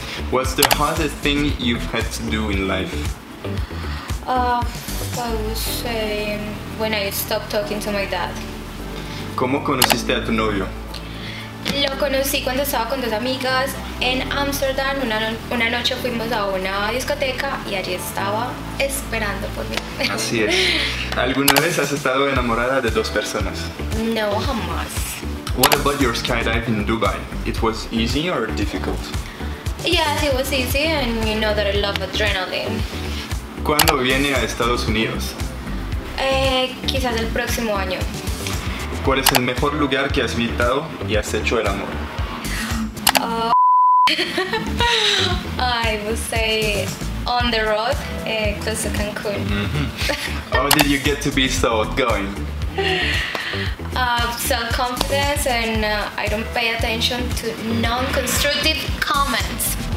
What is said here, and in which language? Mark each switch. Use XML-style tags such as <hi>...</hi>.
<en>What's the hardest thing you've had to do in life? I would say when I stopped talking to my dad.</en> <es>¿Cómo conociste a tu novio? Lo conocí cuando estaba con dos amigas en Amsterdam. Una noche fuimos a una discoteca y allí estaba esperando por mí. Así es. ¿Alguna vez has estado enamorada de dos personas? No, jamás.</es> <en>What about your skydive in Dubai? It was easy or difficult? Yes, it was easy, and you know that I love adrenaline.</en> <es>¿Cuándo viene a Estados Unidos? Quizás el próximo año. ¿Cuál es el mejor lugar que has visitado y has hecho el amor?</es> <en>I would say on the road, close to Cancun. Mm-hmm. How did you get to be so outgoing? Self-confidence, and I don't pay attention to non-constructive comments.</en>